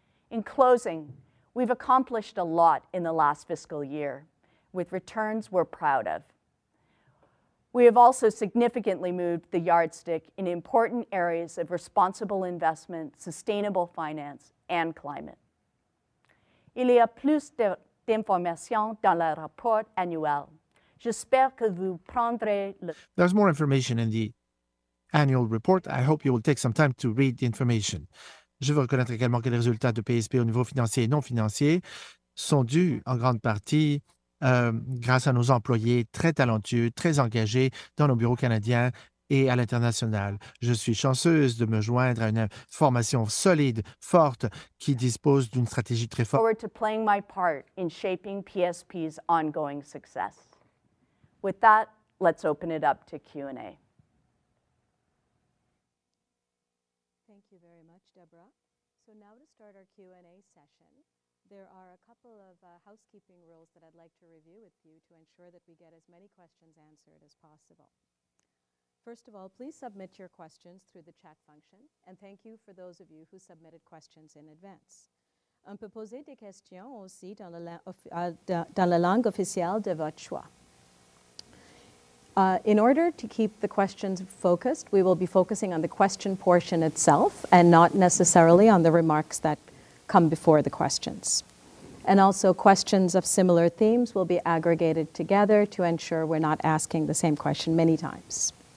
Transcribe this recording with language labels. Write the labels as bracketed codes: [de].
[en] In closing, we've accomplished a lot in the last fiscal year, with returns we're proud of. We have also significantly moved the yardstick in important areas of responsible investment, sustainable finance, and climate. [fr] Il y a plus d'informations dans le rapport annuel. J'espère que vous prendrez le... [en] There's more information in the annual report. I hope you will take some time to read the information. [fr] Je veux reconnaître également que les résultats de PSP au niveau financier et non financier sont dus en grande partie grâce à nos employés très talentueux, très engagés dans nos bureaux canadiens et à l'international. Je suis chanceuse de me joindre à une formation solide, forte, qui dispose d'une stratégie très forte. [en] I look forward to playing my part in shaping PSP's ongoing success. With that, let's open it up to Q&A. Thank you very much, Deborah. So now to start our Q&A session. There are a couple of housekeeping rules that I'd like to review with you to ensure that we get as many questions answered as possible. First of all, please submit your questions through the chat function, and thank you for those of you who submitted questions in advance. [fr] On peut poser des questions aussi dans la langue officielle de votre choix. [en] In order to keep the questions focused, we will be focusing on the question portion itself and not necessarily on the remarks that come before the questions. And also, questions of similar themes will be aggregated together to ensure we're not asking the same question many times.